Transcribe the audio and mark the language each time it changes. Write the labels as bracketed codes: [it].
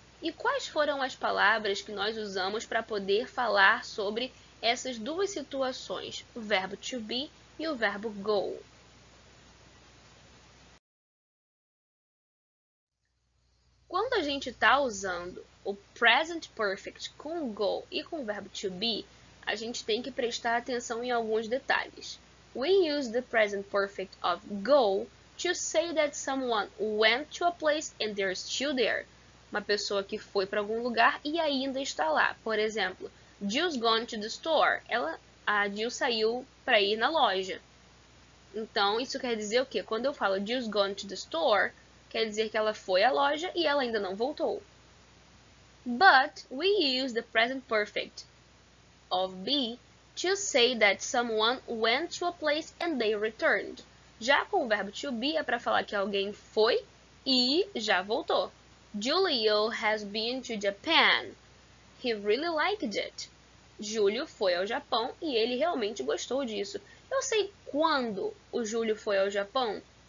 [pt] E quais foram as palavras que nós usamos para poder falar sobre essas duas situações, o verbo to be e o verbo go? Quando a gente está usando o present perfect com go e com o verbo to be, a gente tem que prestar atenção em alguns detalhes. [en] We use the present perfect of go to say that someone went to a place and they're still there. [pt] uma pessoa que foi para algum lugar e ainda está lá. Por exemplo, [en] Jill's gone to the store. [pt] A Jill saiu para ir na loja. Então, isso quer dizer o quê? Quando eu falo [en] Jill's gone to the store, [pt] quer dizer que ela foi à loja e ela ainda não voltou. [en] But we use the present perfect of be to say that someone went to a place and they returned. [pt] Já com o verbo to be é para falar que alguém foi e já voltou. [en] Julio has been to Japan. He really liked it. [pt] Júlio foi ao Japão e ele realmente gostou disso. Eu sei quando o Júlio foi ao Japão?